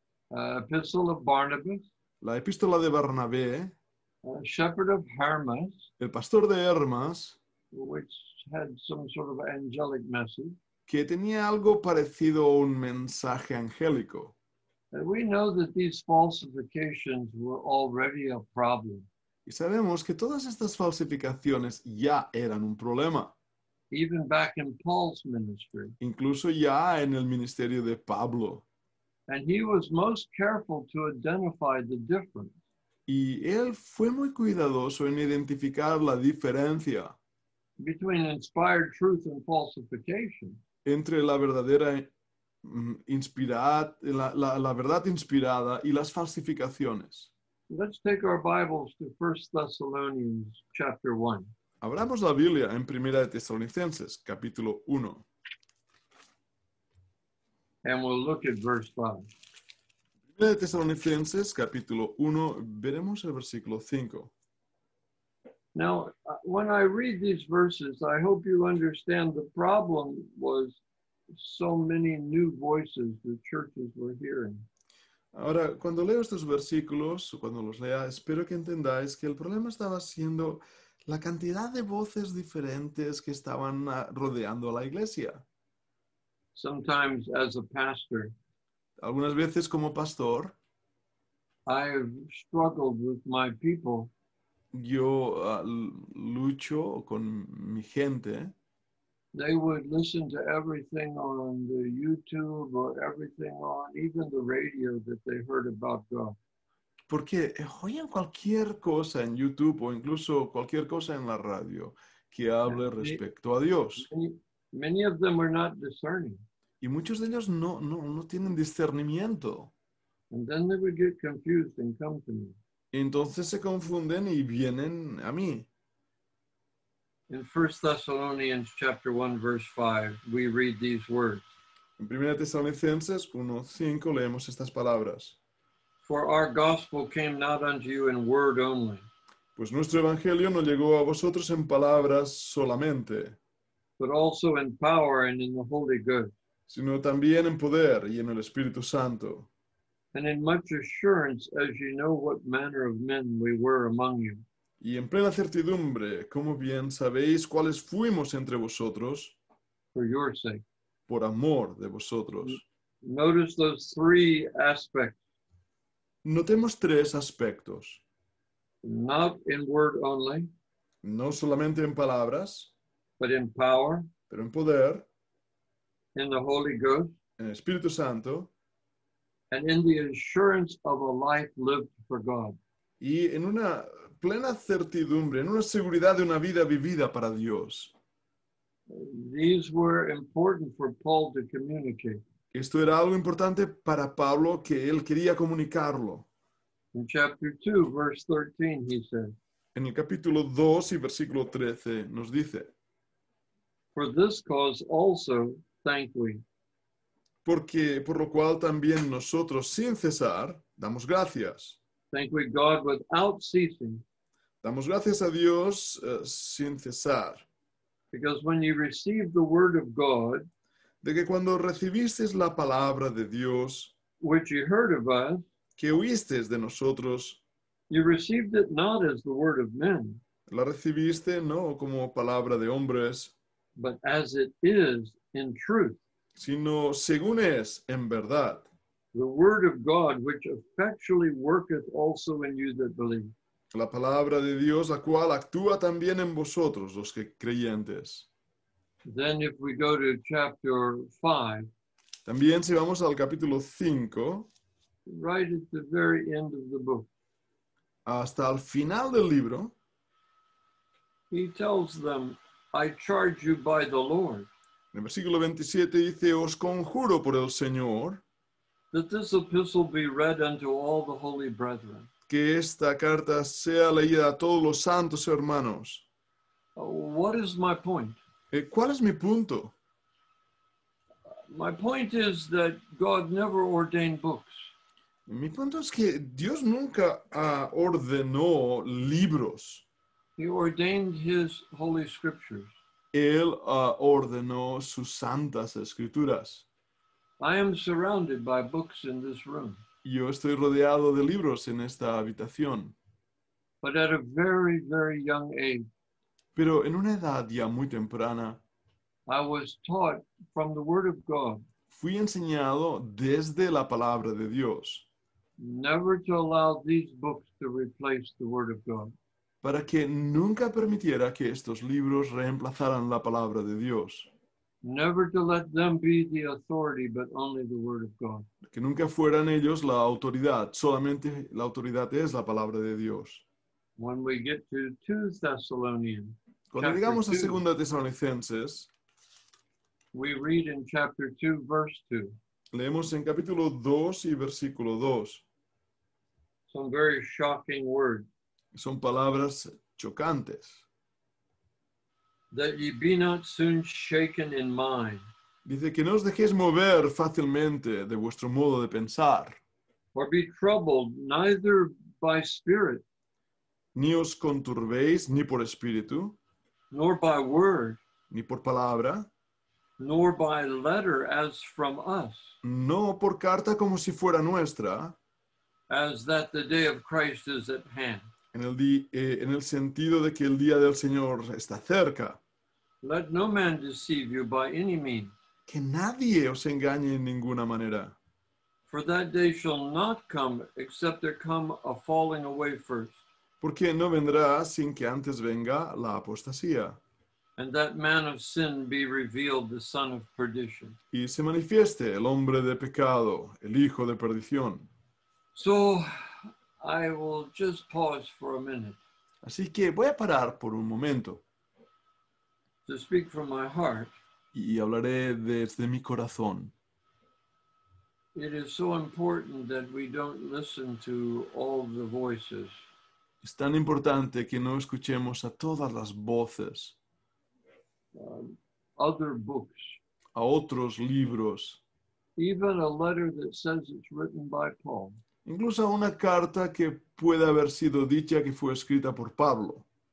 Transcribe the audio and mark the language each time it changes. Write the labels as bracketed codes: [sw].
[en] Epistle of Barnabas. [es] La Epístola de Bernabé. [en] Shepherd of Hermas. [es] El Pastor de Hermas. [en] Which had some sort of angelic message. [es] Que tenía algo parecido a un mensaje angélico. [en] And we know that these falsifications were already a problem. [es] Y sabemos que todas estas falsificaciones ya eran un problema. [en] Even back in Paul's ministry. [es] Incluso ya en el ministerio de Pablo. [en] And he was most careful to identify the difference. [es] Y él fue muy cuidadoso en identificar la diferencia. [en] Between inspired truth and falsification. [es] Entre la verdadera la verdad inspirada y las falsificaciones. [en] Let's take our Bibles to 1 Thessalonians chapter 1. [es] Abramos la Biblia en Primera de Tesalonicenses capítulo 1. [en] And we'll look at verse 5. [es] Primera de Tesalonicenses capítulo 1, veremos el versículo 5. [en] Now, when I read these verses, I hope you understand the problem was so many new voices the churches were hearing. [es] Ahora, cuando leo estos versículos, cuando los lea, espero que entendáis que el problema estaba siendo la cantidad de voces diferentes que estaban rodeando a la iglesia. [en] Sometimes as a pastor, [es] algunas veces como pastor, [en] I've struggled with my people. [es] Yo lucho con mi gente. [en] They would listen to everything on the YouTube or everything on even the radio that they heard about God. [es] porque oyen cualquier cosa en YouTube o incluso cualquier cosa en la radio que hable respecto a Dios. [en] Many of them are not discerning. [es] Y muchos de ellos no tienen discernimiento. [en] And then they would get confused and come to me. [es] Entonces se confunden y vienen a mí. [en] In 1 Thessalonians chapter 1 verse 5, we read these words. [es] En 1 Tesalonicenses 1:5 leemos estas palabras. [en] For our gospel came not unto you in word only. [es] Pues nuestro evangelio no llegó a vosotros en palabras solamente. [en] But also in power and in the Holy Ghost. [es] Sino también en poder y en el Espíritu Santo. [en] And in much assurance, as you know what manner of men we were among you. [es] Y en plena certidumbre, como bien sabéis cuáles fuimos entre vosotros. [en] For your sake. [es] Por amor de vosotros. [en] Notice those three aspects. [es] Notemos tres aspectos. [en] Not in word only. [es] No solamente en palabras. [en] But in power. [es] Pero en poder. [en] In the Holy Ghost. [es] En el Espíritu Santo. [en] And in the assurance of a life lived for God. [es] Y en una plena certidumbre, en una seguridad de una vida vivida para Dios. [en] These were important for Paul to communicate. [es] Esto era algo importante para Pablo, que él quería comunicarlo. [en] In chapter 2, verse 13, he said. [es] En el capítulo 2 y versículo 13 nos dice. [en] For this cause also, thank we. [es] Porque, por lo cual también nosotros, sin cesar, damos gracias. [en] Thank we God without ceasing. [es] Damos gracias a Dios sin cesar. [en] Because when you received the word of God, [es] de que cuando recibisteis la palabra de Dios, [en] which you heard of us, [es] que oísteis de nosotros, [en] you received it not as the word of men, [es] la recibiste no como palabra de hombres, [en] but as it is in truth, [es] sino según es en verdad, [en] the word of God which effectually worketh also in you that believe. [es] La palabra de Dios, la cual actúa también en vosotros, los que creyentes. [en] Then if we go to chapter 5, [es] también si vamos al capítulo 5, [en] right at the very end of the book, [es] hasta el final del libro, [en] he tells them, I charge you by the Lord. [es] En el versículo 27 dice, os conjuro por el Señor, [en] that this epistle be read unto all the holy brethren. [es] Que esta carta sea leída a todos los santos hermanos. [en] What is my point? [es] ¿Cuál es mi punto? [en] My point is that God never ordained books. [es] Mi punto es que Dios nunca ordenó libros. [en] He ordained his holy scriptures. [es] Él ordenó sus santas escrituras. [en] I am surrounded by books in this room. [es] Yo estoy rodeado de libros en esta habitación. [en] But at a very, very young age, [es] pero en una edad ya muy temprana, [en] I was taught from the word of God, [es] fui enseñado desde la palabra de Dios, [en] never to allow these books to replace the word of God, [es] para que nunca permitiera que estos libros reemplazaran la palabra de Dios. [en] Never to let them be the authority, but only the word of God. [es] Que nunca fueran ellos la autoridad, solamente la autoridad es la palabra de Dios. [en] When we get to 2 Thessalonians, [es] cuando llegamos a 2 Tesalonicenses, [en] we read in chapter 2, verse 2. [es] Leemos en capítulo 2 y versículo 2. [en] Some very shocking words. [es] Son palabras chocantes. [en] That ye be not soon shaken in mind. [es] Dice que no os dejéis mover fácilmente de vuestro modo de pensar. [en] Or be troubled neither by spirit. [es] Ni os conturbéis ni por espíritu. [en] Nor by word. [es] Ni por palabra. [en] Nor by letter as from us. [es] No por carta como si fuera nuestra. [en] As that the day of Christ is at hand. [es] En el sentido de que el día del Señor está cerca. [en] Let no man deceive you by any means. [es] Que nadie os engañe en ninguna manera. [en] For that day shall not come except there come a falling away first. [es] Porque no vendrá sin que antes venga la apostasía. [en] And that man of sin be revealed, the son of perdition. [es] Y se manifieste el hombre de pecado, el hijo de perdición. [en] So I will just pause for a minute. [es] Así que voy a parar por un momento. [en] To speak from my heart. [es] Y hablaré desde mi corazón. [en] It is so important that we don't listen to all the voices. [es] Es tan importante que no escuchemos a todas las voces. [en] Other books. [es] A otros libros. [en] Even a letter that says it's written by Paul. [es] Incluso una carta que puede haber sido dicha que fue escrita por Pablo.